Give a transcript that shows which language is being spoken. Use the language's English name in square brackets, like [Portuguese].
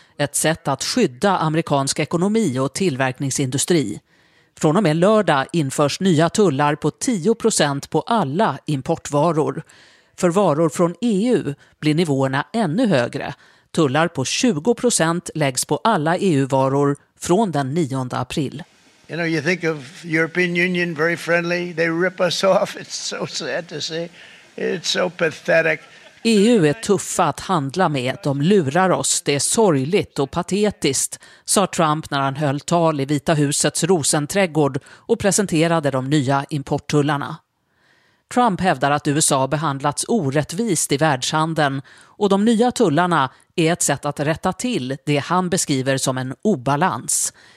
[Swedish] Ett sätt att skydda amerikansk ekonomi och tillverkningsindustri. Från och med lördag införs nya tullar på 10% på alla importvaror. För varor från EU blir nivåerna ännu högre. Tullar på 20% läggs på alla EU-varor från den 9 april. [English] You know, you think of European Union very friendly. They rip us off. It's so sad to see. It's so pathetic. [Swedish] EU är tuffa att handla med. De lurar oss. Det är sorgligt och patetiskt, sa Trump när han höll tal i Vita husets rosenträdgård och presenterade de nya importtullarna. Trump hävdar att USA behandlats orättvist i världshandeln och de nya tullarna är ett sätt att rätta till det han beskriver som en obalans.